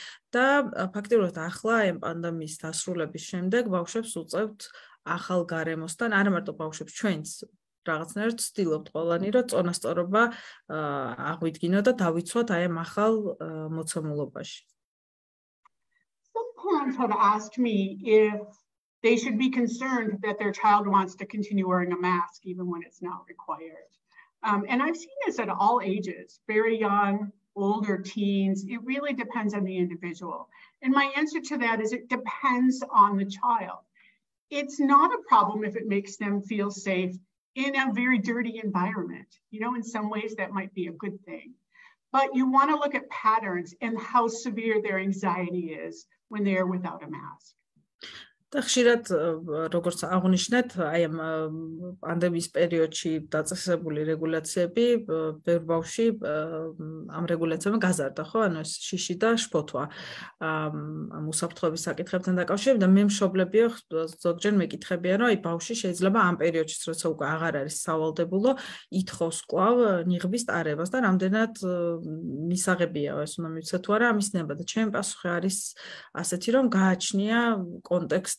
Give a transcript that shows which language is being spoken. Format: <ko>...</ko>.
<ka>და ფაქტიურად ახლა ამ პანდემიის დასრულების შემდეგ ბავშვებს უწევთ ახალ გარემოსთან, არა მარტო ბავშვებს, ჩვენც რაღაცნაირად ვცდილობთ ყველანი, რომ წონასწორობა აღვიდგინოთ და დავიცვათ აი ამ ახალ მოცემულობაში.</ka> <en>Some parents have asked me if they should be concerned that their child wants to continue wearing a mask even when it's not required. And I've seen this at all ages, very young, older teens. It really depends on the individual. And my answer to that is it depends on the child. It's not a problem if it makes them feel safe in a very dirty environment. You know, in some ways that might be a good thing. But you want to look at patterns and how severe their anxiety is when they are without a mask.</en> <ka>და ხშირად, როგორც აღნიშნეთ, აი ამ პანდემიის პერიოდში დაწესებული რეგულაციები ბევრ ბავშვში ამ რეგულაციებმა გაზარდა, ხო? ანუ ეს შიში და შფოთვა ამ უსაფრთხოების საკითხებთან დაკავშირებით, და მე მშობლებიო ზოგჯერ მეკითხებიან, რომ აი ბავშვი შეიძლება ამ პერიოდში, როცა უკვე აღარ არის სავალდებულო, ითხოს კვლავ ნიღბის ტარებას და რამდენად მისაღებია ეს, უნდა მივცეთ თუ არა ამის ნება. და ჩემი პასუხი არის ასეთი, რომ გააჩნია კონტექსტი</ka>